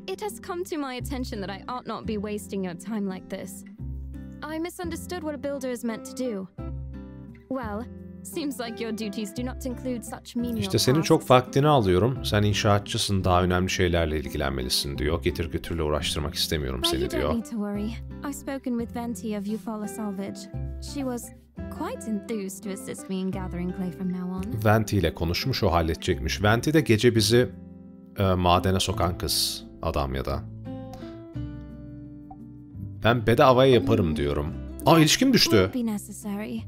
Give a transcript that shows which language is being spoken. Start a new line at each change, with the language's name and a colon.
English: It has come to my attention that I ought not be wasting your time like this. I misunderstood what a builder is meant to do. Well, seems like your duties do not include such menial tasks.
Turkish: İşte senin çok vaktini alıyorum. Sen inşaatçısın, daha önemli şeylerle ilgilenmelisin diyor. Getir götürle uğraştırmak istemiyorum seni diyor.
English: Don't worry. I've spoken with Venti of Eufaula Salvage. She was quite enthused to assist me in gathering clay from now on.
Turkish: Venti ile konuşmuş, o halledecekmiş. Venti de gece bizi madene sokan kız, adam ya da. Ben bedavaya yaparım diyorum. Aa, ilişkim düştü. What?